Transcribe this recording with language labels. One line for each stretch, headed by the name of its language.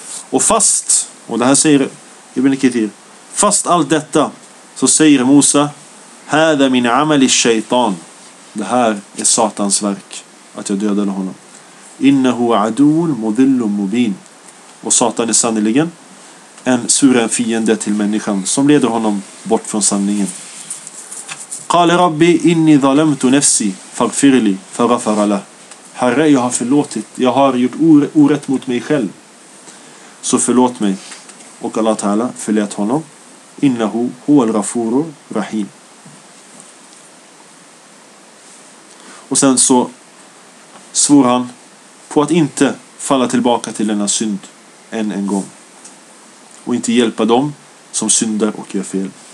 Swedish: Och fast, och det här säger Ibn Kathir, fast allt detta, så säger Mosa:
Arabic: "Hadha min amali shaytan."
Swedish: Det här är Satans verk, att jag dödade honom.
Arabic: "Innahu aduun mudillun mubin."
Swedish: Och Satan är sannoliken en suren fiende till människan som leder honom bort från sanningen.
Arabic: قال ربي إني ظلمت نفسي فاغفر لي فغفر له.
Swedish: Herre, jag har förlåtit, jag har gjort orätt mot mig själv, så förlåt mig. Och Allah Ta'ala förlät honom.
Arabic: Innahu huwa al-ghafur rahim.
Swedish: Och sen så svor han på att inte falla tillbaka till denna synd än en gång och inte hjälpa dem som syndar och gör fel.